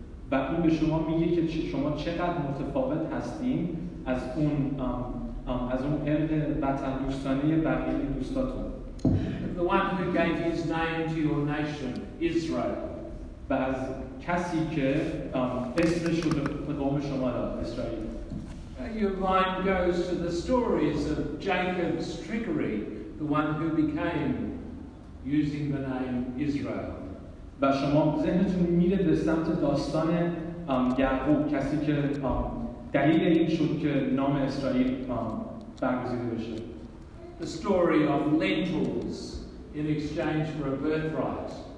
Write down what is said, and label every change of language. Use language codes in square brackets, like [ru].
[fa] و اون به شما میگه که شما چقدر متفاوت هستین از اون از اون عرق وطن دوستانه بقیه دوستاتون. [en] The one who gave his name to your nation, Israel. [fa] و از کسی که اسمش رو به قوم شما داد، اسرائیل. [en] Your mind goes to the stories of Jacob's trickery, the one who became using the name Israel. [fa] و شما ذهنتون میره به سمت داستان یعقوب، کسی که دلیل این شد که نام اسرائیل برگزیده بشه. [en] The story of lentils in exchange for a birthright.